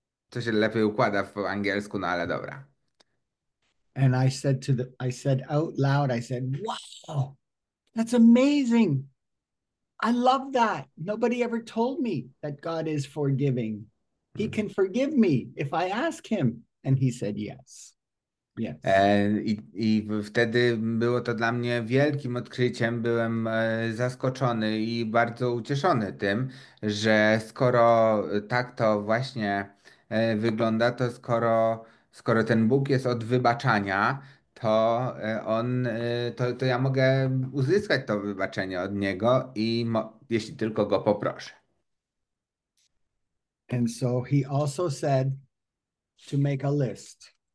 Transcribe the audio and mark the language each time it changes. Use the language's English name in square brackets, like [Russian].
[Polish] To się lepiej układa w angielsku, no ale dobra. [English] And I said to the, I said out loud, I said, "Wow, that's amazing. I love that. Nobody ever told me that God is forgiving. He can forgive me if I ask him." And he said, "Yes, yes." [Polish] I wtedy było to dla mnie wielkim odkryciem. Byłem zaskoczony i bardzo ucieszony tym, że skoro tak to właśnie wygląda, to skoro ten Bóg jest od wybaczania, to on, to ja mogę uzyskać to wybaczenie od niego i jeśli tylko go poproszę. [English] And so he also said to make a list.